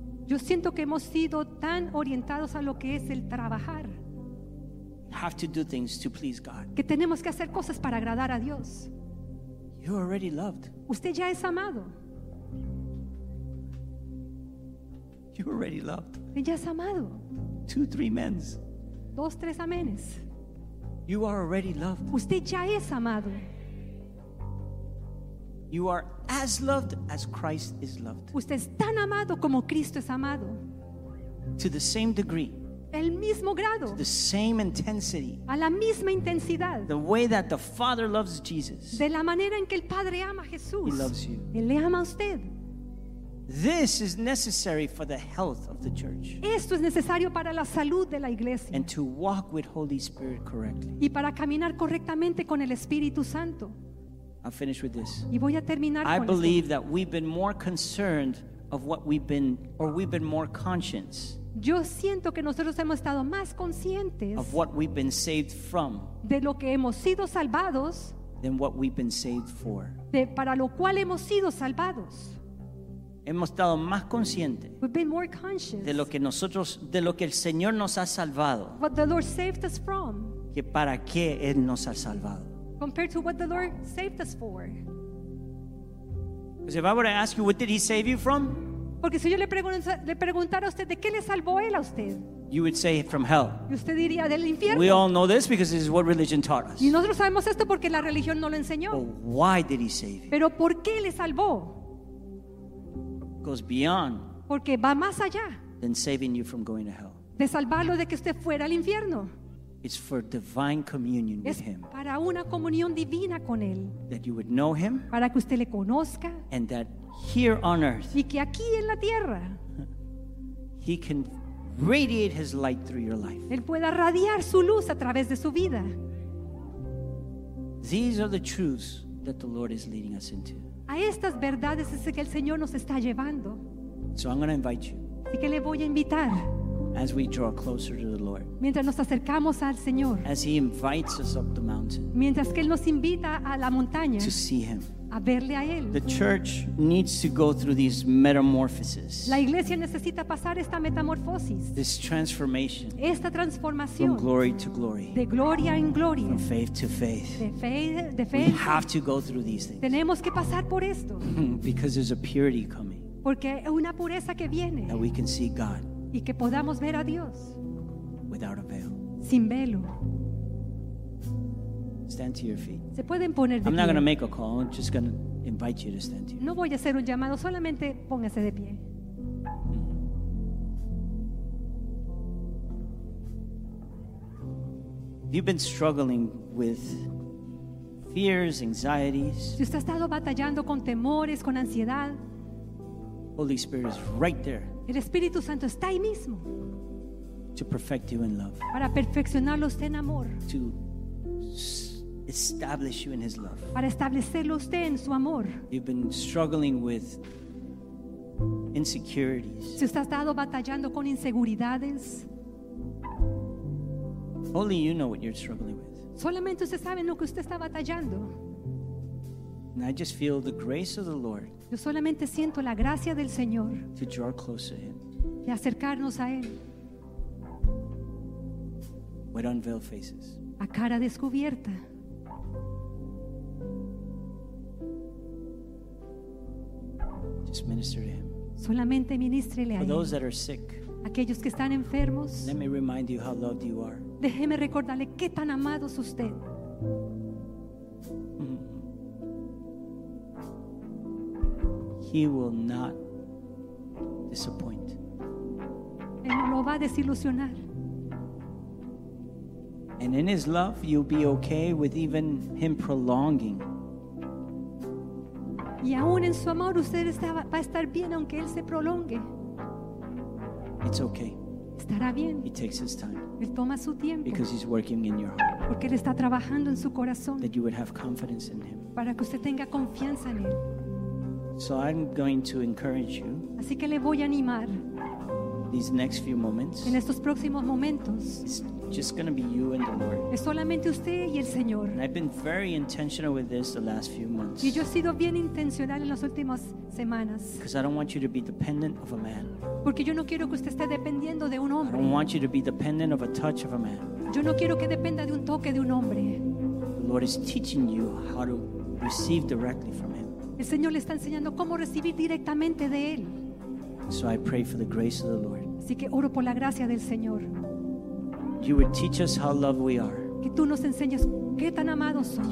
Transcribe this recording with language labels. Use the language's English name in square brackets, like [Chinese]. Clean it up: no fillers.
[Spanish] Yo siento que hemos sido tan orientados a lo que es el trabajar. [English] Have to do things to please God. [Spanish] Que tenemos que hacer cosas para agradar a Dios. [English] You're already loved. [Spanish] Usted ya es amado. [English] You're already loved. [Spanish] Ya es amado. [English] 2-3 amens. [Spanish] Dos, tres amenes. [English] You are already loved. [Spanish] Usted ya es amado. [English] You are as loved as Christ is loved. [Spanish] Usted es tan amado como Cristo es amado. [English] To the same degree. [Spanish] El mismo grado. [English] To the same intensity. [Spanish] A la misma intensidad. [English] The way that the Father loves Jesus. [Spanish] De la manera en que el Padre ama a Jesús. [English] He loves you. [Spanish] Él le ama a usted. [English] This is necessary for the health of the church. [Spanish] Esto es necesario para la salud de la iglesia. [English] And to walk with Holy Spirit correctly. [Spanish] Y para caminar correctamente con el Espíritu Santo. [English] I'll finish with this. [Spanish] Y voy a terminar con esto. [English] I believe that we've been more concerned of what we've been more conscious. [Spanish] Yo siento que nosotros hemos estado más conscientes [English] of what we've been saved from [Spanish] de lo que hemos sido salvados [English] than what we've been saved for. [Spanish] De para lo cual hemos sido salvados. Hemos estado más conscientes de lo que nosotros, de lo que el Señor nos ha salvado, [English] what the Lord saved us from, [Spanish] que para qué Él nos ha salvado. [English] Compared to what the Lord saved us for. Because if I were to ask you, what did He save you from? [Spanish] Porque si yo le preguntara a usted de qué le salvó Él a usted, [English] you would say from hell. [Spanish] Y usted diría del infierno. [English] We all know this because this is what religion taught us. [Spanish] Y nosotros sabemos esto porque la religión no lo enseñó. [English] But why did He save you? [Spanish] Pero por qué le salvó. [English] Goes beyond. [Spanish] Porque va más allá. [English] Than saving you from going to hell. [Spanish] De salvarlo de que usted fuera al infierno. [English] It's for divine communion with Him. [Spanish] Es para una comunión divina con Él. [English] That you would know Him. [Spanish] Para que usted le conozca. [English] And that here on earth. [Spanish] Y que aquí en la tierra. [English] He can radiate His light through your life. [Spanish] Él pueda radiar su luz a través de su vida. [English] These are the truths that the Lord is leading us into. [Spanish] A estas verdades es que el Señor nos está llevando. [English] So I'm going to invite you. [Spanish] Así que le voy a invitar. [English] As we draw closer to the Lord. [Spanish] Mientras nos acercamos al Señor. [English] As He invites us up the mountain. [Spanish] Mientras que Él nos invita a la montaña. [English] To see Him. [Spanish] a verle a él. [English] The church needs to go through these metamorphoses. [Spanish] La iglesia necesita pasar esta metamorfosis. [English] This transformation. [Spanish] Esta transformación. [English] From glory to glory. [Spanish] De gloria en gloria. [English] From faith to faith. [Spanish] De fe. [English] We have to go through these things. [Spanish] Tenemos que pasar por esto. [English] Because there's a purity coming. [Spanish] Porque es una pureza que viene. [English] That we can see God. [Spanish] Y que podamos ver a Dios. [English] Without a veil. [Spanish] Sin velo. [English] Stand to your feet. [Spanish] Se pueden poner de pie. [English] I'm not going to make a call. I'm just going to invite you to stand to your feet. [Spanish] No voy a hacer un llamado, solamente póngase de pie. [English] You've been struggling with fears, anxieties. [Spanish] Si usted ha estado batallando con temores, con ansiedad. [English] Holy Spirit is right there. [Spanish] El Espíritu Santo está ahí mismo. [English] To perfect you in love. [Spanish] Para perfeccionarlo usted en amor. [English] To establish you in His love. [Spanish] Para establecerlo usted en su amor. [English] You've been struggling with insecurities. [Spanish] Si usted ha estado batallando con inseguridades. [English] Only you know what you're struggling with. [Spanish] Solamente usted sabe lo que usted está batallando. [English] And I just feel the grace of the Lord. [Spanish] Yo solamente siento la gracia del Señor. [English] To draw close to Him. [Spanish] De acercarnos a Él. [English] With unveiled faces. [Spanish] A cara descubierta. [English] Just minister to Him. [Spanish] Solamente ministrele a Él. [English] For those that are sick. [Spanish] Aquellos que están enfermos. [English] Let me remind you how loved you are. [Spanish] Déjeme recordarle qué tan amado es usted. [English] He will not disappoint. [Spanish] Él no lo va a desilusionar. [English] And in His love, you'll be okay with even Him prolonging. [Spanish] Y aún en su amor, usted va a estar bien aunque Él se prolongue. [English] It's okay. [Spanish] Estará bien. [English] He takes His time. [Spanish] Él toma su tiempo. [English] Because He's working in your heart. [Spanish] Porque Él está trabajando en su corazón. [English] That you would have confidence in Him. [Spanish] Para que usted tenga confianza en Él. [English] So I'm going to encourage you. [Spanish] Así que le voy a animar. [English] These next few moments. [Spanish] En estos próximos momentos. [English] It's just going to be you and the Lord. [Spanish] Es solamente usted y el Señor. [English] And I've been very intentional with this the last few months. [Spanish] Y yo he sido bien intencional en las últimas semanas. [English] Because I don't want you to be dependent of a man. [Spanish] Porque yo no quiero que usted esté dependiendo de un hombre. [English] I don't want you to be dependent of a touch of a man. [Spanish] Yo no quiero que dependa de un toque de un hombre. [English] The Lord is teaching you how to receive directly from Him. [Spanish] El Señor le está enseñando cómo recibir directamente de Él. [English] So I pray for the grace of the Lord. [Spanish] Así que oro por la gracia del Señor. [English] You would teach us how loved we are. [Spanish] Que tú nos enseñes qué tan amados somos.